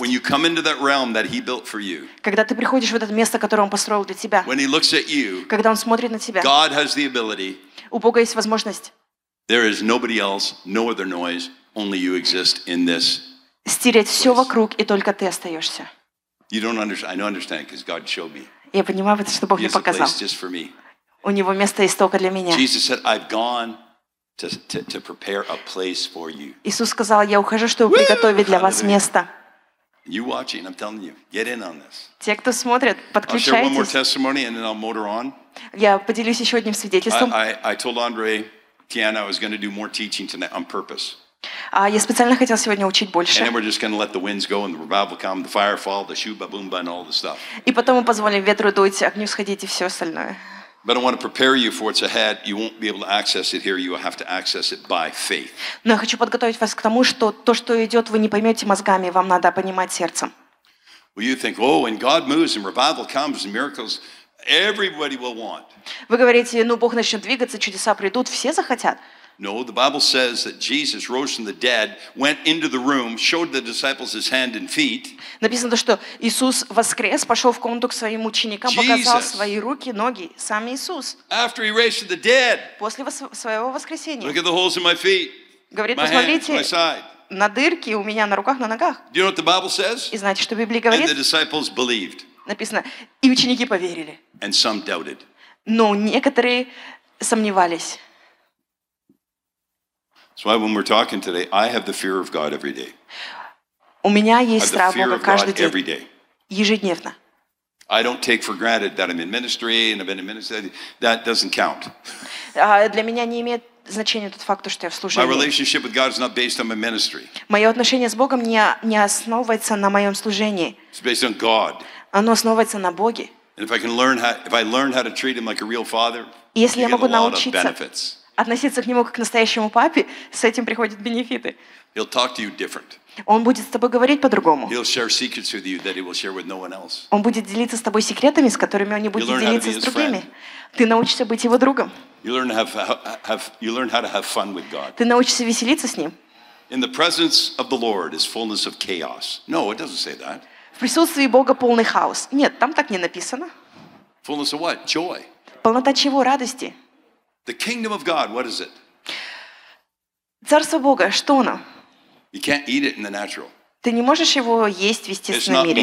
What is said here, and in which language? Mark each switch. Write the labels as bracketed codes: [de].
[en] When you come into that realm that he built for you. [ru] Когда ты приходишь в это место, которое он построил для тебя. [en] When he looks at you. [ru] Когда он смотрит на тебя. [en] God has the ability. [ru] У Бога есть возможность. [en] There is nobody else, no other noise, only you exist in this. [ru] Стереть все вокруг, и только ты остаешься. [en] You don't understand. I don't understand because God showed me. [ru] Я понимаю, потому что Бог мне показал. [en] He has a place just for me. [ru] У него место есть только для меня. [en] Jesus said, I've gone to prepare a place for you. [ru] Иисус сказал, я ухожу, чтобы приготовить для вас место. [en] You watching, I'm telling you, get in on this. [ru] Те, кто смотрит, подключайтесь. [en] I'll share one more testimony and then I'll motor on. [ru] Я поделюсь еще одним свидетельством. [en] I told Andre, Tiana, I was going to do more teaching tonight on purpose. [ru] Я специально хотел сегодня учить больше. [en] And then we're just going to let the winds go and the revival come, the fire fall, the shoo ba boom ba and all the stuff. [ru] И потом мы позволим ветру дуть, огню сходить и все остальное. [en] But I want to prepare you for what's ahead. You won't be able to access it here. You will have to access it by faith. [ru] Но я хочу подготовить вас к тому, что то, что идет, вы не поймете мозгами. Вам надо понимать сердцем. [en] Well, you think, oh, when God moves and revival comes and miracles, everybody will want. [ru] Вы говорите, ну Бог начнет двигаться, чудеса придут, все захотят. [en] No, the Bible says that Jesus rose from the dead, went into the room, showed the disciples his hand and feet. [ru] Написано то, что Иисус воскрес, пошел в комнату к своим ученикам, показал свои руки, ноги, сам Иисус. [en] After he raised from the dead. [ru] После своего воскресения. [en] Look at the holes in my feet. [ru] Говорит, [en] my [ru] посмотрите [en] hands, my side. [ru] На дырки у меня на руках, на ногах. [en] Do you know what the Bible says? [ru] И знаете, что Библия говорит? [en] And the disciples believed. [ru] Написано, и ученики поверили. [en] And some doubted. [ru] Но некоторые сомневались. [en] That's why when we're talking today, I have the fear of God every day. [ru] У меня есть страх Бога каждый день. [en] Every day. [ru] Ежедневно. [en] I don't take for granted that I'm in ministry and I've been in ministry. That doesn't count. [ru] Для меня не имеет значения тот факт, что я в служении. [en] My relationship with God is not based on my ministry. [ru] Мое отношение с Богом не основывается на моем служении. [en] It's based on God. [ru] Оно основывается на Боге. [en] And if I can learn how, if I learn how to treat Him like a real father, [ru] если я могу научиться. Относиться к нему как к настоящему папе, с этим приходят бенефиты. [en] He'll talk to you different. [ru] Он будет с тобой говорить по-другому. [en] He'll share secrets with you that he will share with no one else. [ru] Он будет делиться с тобой секретами, с которыми он не будет [en] You'll [ru] делиться [en] learn how to [ru] с другими. [en] Be his friend. [ru] Ты научишься быть его другом. [en] You learn how to have fun with God. [ru] Ты научишься веселиться с ним. [en] In the presence of the Lord is fullness of chaos. No, it doesn't say that. [ru] В присутствии Бога полный хаос. Нет, там так не написано. [en] Fullness of what? Joy. [ru] Полнота чего? Радости. [en] The kingdom of God, what is it? [ru] Царство Бога, что оно? [en] You can't eat it in the natural. [ru] Ты не можешь его есть в естественном мире.